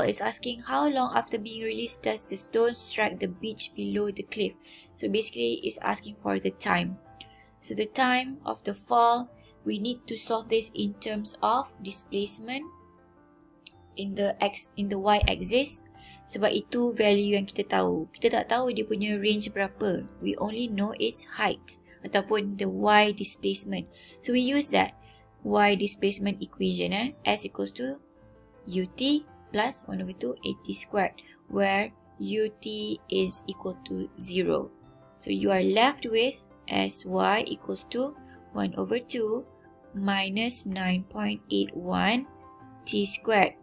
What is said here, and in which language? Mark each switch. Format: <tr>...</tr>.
<en>It's asking how long after being released does the stone strike the beach below the cliff. So basically it's asking for the time. So the time of the fall, we need to solve this in terms of displacement in the x, in the y axis.</en> <ms>Sebab itu value yang kita tahu. Kita tak tahu dia punya range berapa.</ms> <en>We only know its height ataupun the y displacement. So we use that y displacement equation, s equals to ut plus 1/2 at squared, where ut is equal to 0. So you are left with sy equals to 1/2 minus 9.81 t squared.</en>